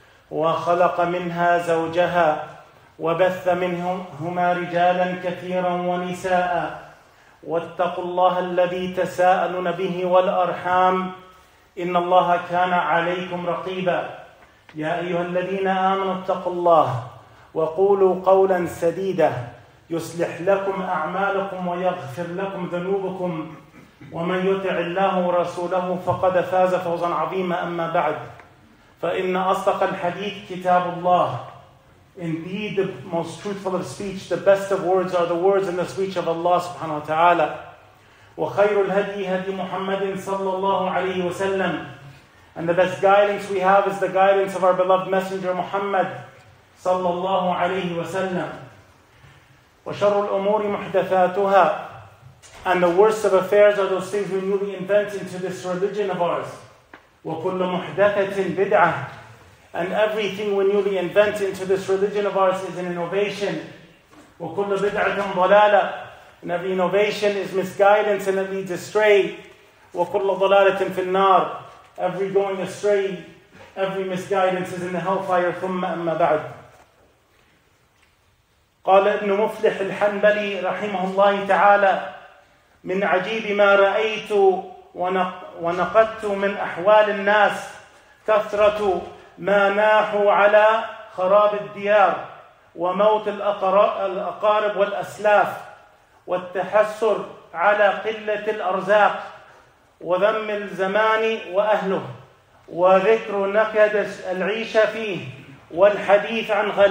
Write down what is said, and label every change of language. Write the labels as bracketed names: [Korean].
[Arabic] وخلق منها زوجها وبث منهما رجالا كثيرا ونساء واتقوا الله الذي تساءلون به والأرحام إن الله كان عليكم رقيبا يا أيها الذين آمنوا اتقوا الله وقولوا قولا سديدا يصلح لكم أعمالكم ويغفر لكم ذنوبكم ومن يطع الله ورسوله فقد فاز فوزا عظيما أما بعد فإن أصدق الحديث كتاب الله [English] Indeed, the most truthful of speech, the best of words are the words and the speech of Allah subhanahu wa ta'ala. [Arabic] وَخَيْرُ الْهَدْيِ هَدْيُ مُحَمَّدٍ صَلَّى اللَّهُ عَلَيْهِ وَسَلَّمْ [English] And the best guidance we have is the guidance of our beloved messenger Muhammad [Arabic] صَلَّى اللَّهُ عَلَيْهِ وَسَلَّمْ وَشَرُّ الْأُمُورِ مُحْدَثَاتُهَا [English] And the worst of affairs are those things we newly invent into this religion of ours. [Arabic] وَكُلُّ مُحْدَثَةٍ بِدْعَةٍ [English] And everything we newly invent into this religion of ours is an innovation. [Arabic] وَكُلُّ بِدْعَةٍ ضَلَالَةٍ [English] And every innovation is misguidance and it leads astray. [Arabic] وَكُلُّ ضَلَالَةٍ فِي النَّارِ [English] Every going astray, every misguidance is in the hellfire. [Arabic] ثُمَّ أَمَّا بَعْدُ قَالَ ابْنُ مُفْلِحِ الْحَنْبَلِي رَحِمَهُ اللَّهِ تَعَالَى مِنْ عَجِيبِ مَا رَأَيْتُ وَنَقَدْتُ مِنْ أَحْوَالِ النَّاسِ كَثْرَةُ ما ناحوا على خراب الديار وموت الأقارب والأسلاف والتحسر على قلة الأرزاق وذم الزمان وأهله وذكر نكد العيش فيه والحديث عن